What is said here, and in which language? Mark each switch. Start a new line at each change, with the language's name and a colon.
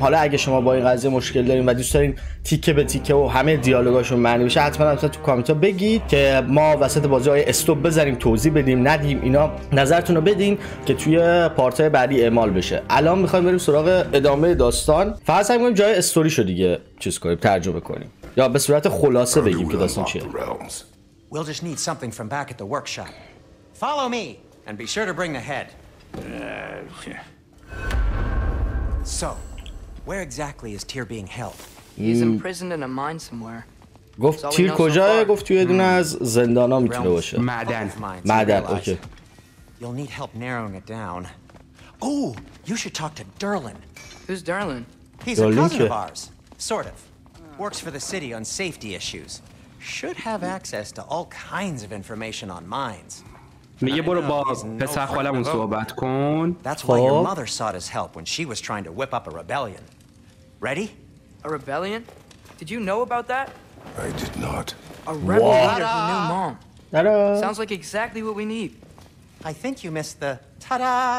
Persian: حالا اگه شما با این قضیه مشکل دارین و دوست دارین تیکه به تیکه و همه دیالوگاشون معنی بشه، حتما حتما تو کامنت ها بگید که ما وسط بازی های استوب بزنیم، توضیح بدیم، ندیم اینا، نظرتونو بدین که توی پارت های بعدی اعمال بشه. الان میخوایم بریم سراغ ادامه داستان، فقط سعی میکنیم جای استوریشو دیگه چیز کنیم، ترجمه کنیم یا به صورت خلاصه بگیم که داستان چیه.
English: We'll just need something from back at the workshop. Follow me and be sure to bring the head. So, where exactly is Tyr being held? He's imprisoned in a mine somewhere.
Persian: گفت تیر کجاست؟ گفت توی دونه از زندانا میتونه باشه. معدن.
English: Okay. You'll need help narrowing it down. Oh, you should talk to Derlin. Who's Derlin? He's a cousin of ours. Sort of. Works for the city on safety issues. Should have access to all kinds of information on mines.
Persian: میگه برو با پسر خالمون صحبت کن.
English: That's why your mother sought his help when she was trying to whip up a rebellion. Ready? A rebellion? Did you know about that? I did not. A rebellion of the new mom. Ta-da. Sounds like exactly what we need. I think you missed the ta-da.